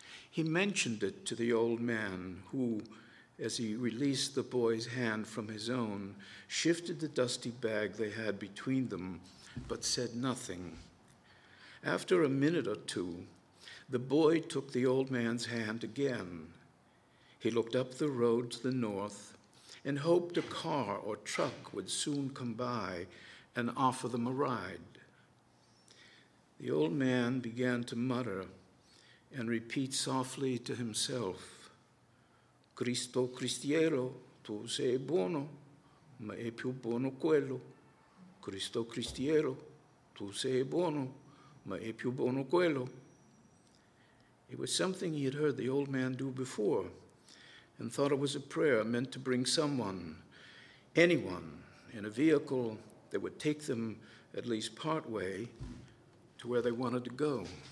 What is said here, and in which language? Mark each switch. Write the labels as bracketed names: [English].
[English] He mentioned it to the old man, who, as he released the boy's hand from his own, shifted the dusty bag they had between them, but said nothing. After a minute or two, the boy took the old man's hand again. He looked up the road to the north and hoped a car or truck would soon come by and offer them a ride. The old man began to mutter and repeat softly to himself, [Italian] "Cristo Cristiero, tu sei buono, ma è più buono quello. Cristo Cristiero, tu sei buono, ma è più buono quello." [English] It was something he had heard the old man do before, and thought it was a prayer meant to bring someone, anyone, in a vehicle that would take them at least partway to where they wanted to go.